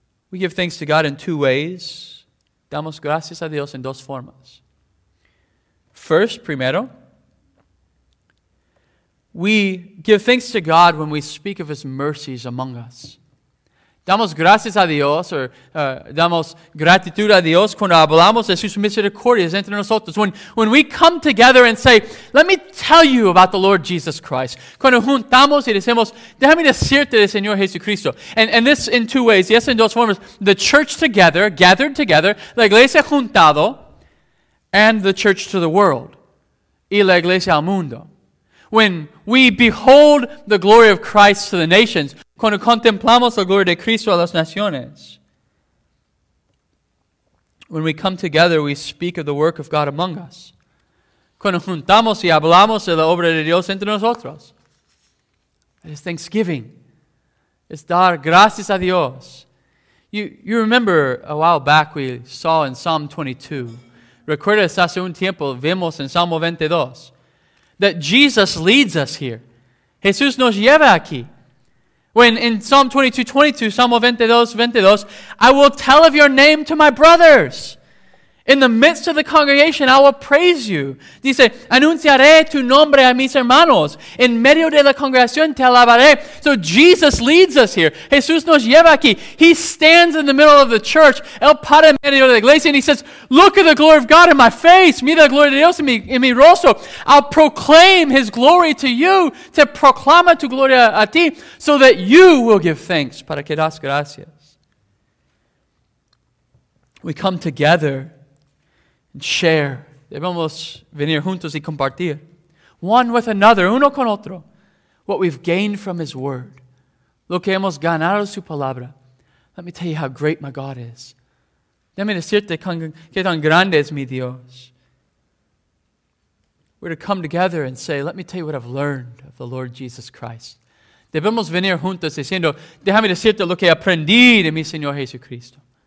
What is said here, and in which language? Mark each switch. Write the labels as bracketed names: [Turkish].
[English] We give thanks to God in two ways. [Spanish] Damos gracias a Dios en dos formas. [English] First, [Spanish] primero, [English] we give thanks to God when we speak of his mercies among us. [Spanish] Damos gracias a Dios, damos gratitud a Dios cuando hablamos de sus misericordias entre nosotros. [English] When we come together and say, let me tell you about the Lord Jesus Christ. [Spanish] Cuando juntamos y decimos, déjame decirte del Señor Jesucristo. [English] And this in two ways, yes, in [Spanish] dos formas. [English] The church together, gathered together, [Spanish] la iglesia juntado, [English] and the church to the world. [Spanish] Y la iglesia al mundo. [English] When we behold the glory of Christ to the nations, [Spanish] cuando contemplamos la gloria de Cristo a las naciones, [English] when we come together, we speak of the work of God among us. [Spanish] Cuando juntamos y hablamos de la obra de Dios entre nosotros, [English] it is thanksgiving. [Spanish] It's dar gracias a Dios. [English] You remember a while back we saw in Psalm 22. [Spanish] Recuerdas hace un tiempo vimos en Salmo 22 [English] that Jesus leads us here. [Spanish] Jesús nos lleva aquí. [English] When in Psalm 22:22, Psalm 22:22, I will tell of your name to my brothers. In the midst of the congregation, I will praise you. [Spanish] Dice, anunciaré tu nombre a mis hermanos. En medio de la congregación, te alabaré. [English] So Jesus leads us here. [Spanish] Jesús nos lleva aquí. [English] He stands in the middle of the church. [Spanish] El padre en medio de la iglesia. [English] And he says, look at the glory of God in my face. [Spanish] Mira la gloria de Dios en mi rostro. [English] I'll proclaim his glory to you. [Spanish] Te proclama tu gloria a ti. [English] So that you will give thanks. [Spanish] Para que das gracias. [English] We come together and share. [Spanish] Debemos venir juntos y compartir. [English] One with another, [Spanish] uno con otro. [English] What we've gained from his word. [Spanish] Lo que hemos ganado su palabra. [English] Let me tell you how great my God is. [Spanish] Déjame decirte qué tan grande es mi Dios. [English] We're to come together and say, let me tell you what I've learned of the Lord Jesus Christ. [Spanish] Debemos venir juntos diciendo, déjame decirte lo que aprendí de mi Señor Jesucristo.